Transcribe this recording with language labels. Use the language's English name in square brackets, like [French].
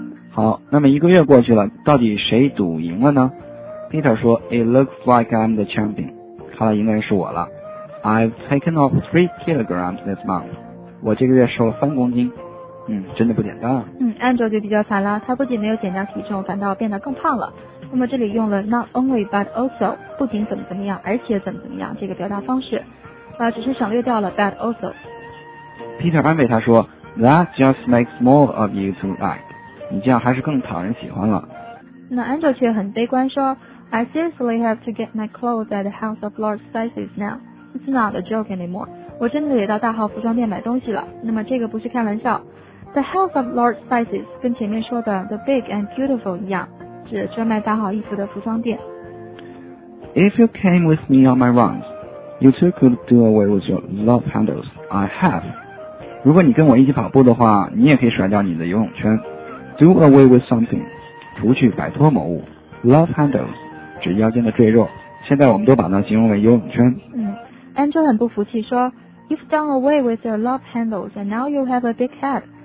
[Chinese] 好，那么一个月过去了，到底谁赌赢了呢？ [English] Peter 说 It looks like I'm the champion. [Chinese] 看来应该是我了。 [English] I've taken off 3 kilograms this month. [Chinese] 我这个月瘦了3公斤。真的不简单啊。 Andrew 就比较惨了，他不仅没有减掉体重，反倒变得更胖了。那么这里用了 not only but also， 不仅怎么怎么样，而且怎么怎么样，这个表达方式，只是省略掉了 but also。 Peter 安慰他说 [English] That just makes more of you to like， [Chinese] 你这样还是更讨人喜欢了。 [English] 那 Andrew [Chinese] 却很悲观说 [English] I seriously have to get my clothes at a house of large sizes now. It's not a joke anymore. [Chinese] 我真的得到大号服装店买东西了。那么这个不是开玩笑。The house of large sizes 跟前面说的 the big and beautiful 一样，指专卖大号衣服的服装店。 [English] If you came with me on my runs, you too could do away with your love handles. I have. [Chinese] 如果你跟我一起跑步的话，你也可以甩掉你的游泳圈。 Do away with something， 除去摆脱某物。Love handles， 指腰间的赘肉。现在我们都把它形容为游泳圈。 [English] Andrew [Chinese] 很不服气说 [English] ，You've done away with your love handles and now you have a big head。